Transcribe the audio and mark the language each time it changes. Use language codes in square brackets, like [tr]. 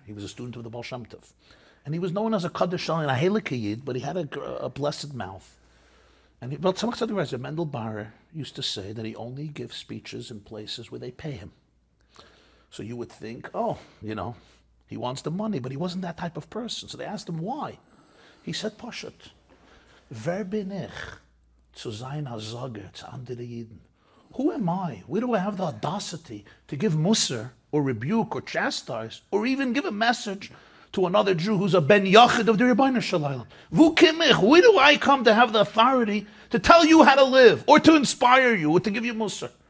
[en] He was a student of the Baal Shem Tov. And he was known as a Kaddish Shalim and a Helikayid, but he had a blessed mouth. And well, Tzemach Tzadik writes, Reb Mendel Barer used to say that he only gives speeches in places where they pay him. So you would think, oh, you know, he wants the money, but he wasn't that type of person. So they asked him why. [yi] He said, Poshut, wer bin ich zu sein azoge zu andere Yidden? [en] Who am I? Where do I have the audacity to give Musar or rebuke or chastise or even give a message to another Jew who's a ben yachid of the Rebbeinu Shel Olam? [yi] Wo kim ich? [en] Where do I come to have the authority to tell you how to live or to inspire you or to give you Musar?